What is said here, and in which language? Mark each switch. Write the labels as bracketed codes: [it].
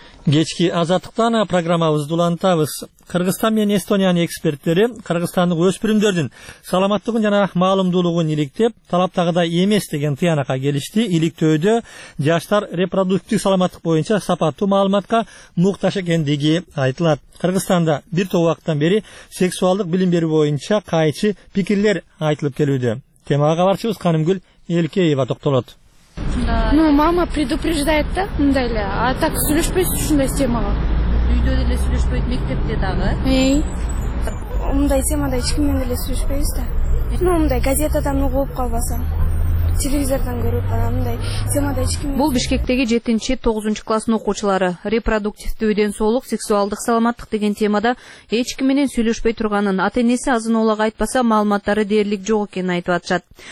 [ky] Кечки Азаттыктан программабызды улантабыз. Кыргызстан менен Эстониянын эксперттери кыргызстандык өспүрүмдөрдүн саламаттыгын жана маалымдуулугун иликтеп, талаптагыдай эмес деген тыянакка келишти. Иликтөөдө жаштар репродуктивдүү саламаттык боюнча сапаттуу маалыматка муктаж экендиги айтылат. Кыргызстанда бир топ убакыттан бери сексуалдык билим берүү боюнча кайчы пикирлер айтылып келүүдө. Темага кабарчыбыз Канымгүл Элкеева токтолот. [ru] Ну, мама предупреждает, да, [ky] мындай эле. [ru] А так [ky] сүйлөшпөйсүз ушундай темага. Үйдө деле сүйлөшпөйт, мектепте дагы. Эй. Мындай темада эч ким менен деле сүйлөшпөйбүз да. [ru] Ну, [ky] мындай газетадан угуп калбасам. Телевизордон көрүп калам, мындай темада эч ким. Бул Бишкектеги 7-9 классын окуучулары репродуктивдүү ден соолук, сексуалдык саламаттык деген темада эч ким менен сүйлөшпөй турганын, ата энеси азын оолага айтпаса маалыматтары дээрлик жок экенин айтып атышат.